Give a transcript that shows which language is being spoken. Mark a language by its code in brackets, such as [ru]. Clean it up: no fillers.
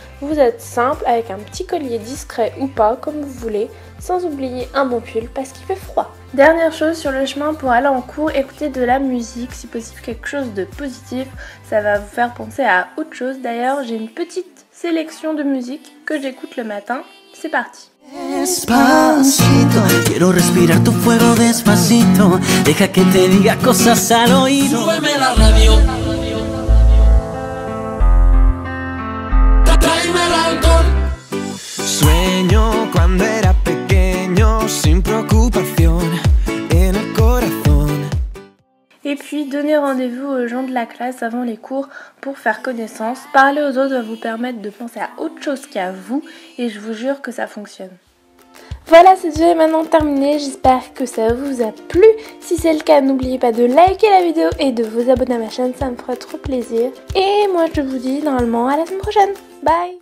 [fr] Vous êtes simple avec un petit collier discret ou pas, comme vous voulez, sans oublier un bon pull parce qu'il fait froid. Dernière chose sur le chemin pour aller en cours, écoutez de la musique, si possible quelque chose de positif, ça va vous faire penser à autre chose. D'ailleurs, j'ai une petite sélection de musique que j'écoute le matin. C'est parti. [es] Despacito, quiero respirar tu fuego despacito. Deja que te diga cosas al oído. Súbeme la radio. Tráeme el alcohol. Sueño cuando era pequeño, sin preocupación en el corazón. [fr] Et puis, donner rendez-vous aux gens de la classe avant les cours pour faire connaissance. Parler aux autres va vous permettre de penser à autre chose qu'à vous. Et je vous jure que ça fonctionne. Voilà, cette vidéo est maintenant terminée, j'espère que ça vous a plu. Si c'est le cas, n'oubliez pas de liker la vidéo et de vous abonner à ma chaîne, ça me ferait trop plaisir. Et moi je vous dis normalement à la semaine prochaine, bye!